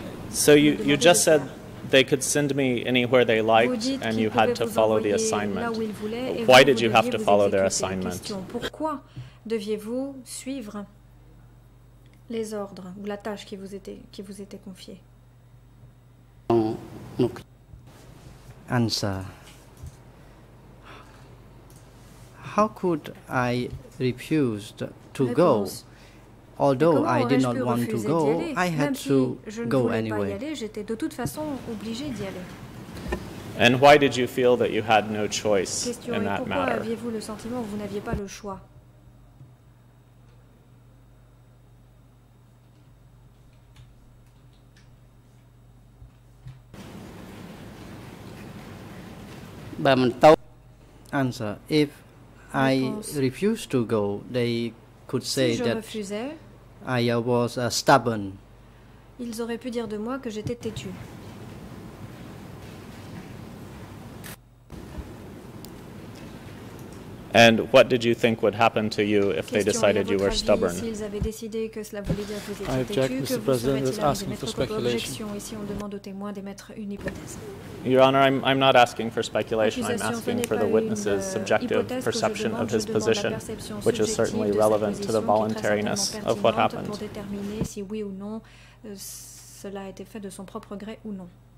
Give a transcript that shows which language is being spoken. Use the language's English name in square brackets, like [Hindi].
[English] So you just said they could send me anywhere they liked, and you had to follow the assignment. Why did you have to follow their assignment? [French] Pourquoi deviez-vous suivre les ordres ou la tâche qui vous était confiée? [English] Answer. How could I refuse to go? Although I did not want to go, I had to go anyway. [French] J'étais de toute façon obligé d'y aller. [English] And why did you feel that you had no choice in that matter? [French] Pourquoi aviez-vous le sentiment que vous n'aviez pas le choix? [English] Answer. If I refused to go, they could say that I was stubborn. [French] Ils auraient pu dire de moi que j'étais têtu. [English] And what did you think would happen to you if they decided you were stubborn? [French] S'ils avaient décidé que cela voulait dire que vous étiez têtu, que vous seriez arrivé à mettre votre objection. Ici, on demande aux témoins d'émettre une hypothèse. [English] Your Honor, I'm not asking for speculation. I'm asking for the witness's subjective perception of his position, which is certainly relevant to the voluntariness of what happened. [French] Pour déterminer si oui ou non cela a été fait de son propre gré ou non.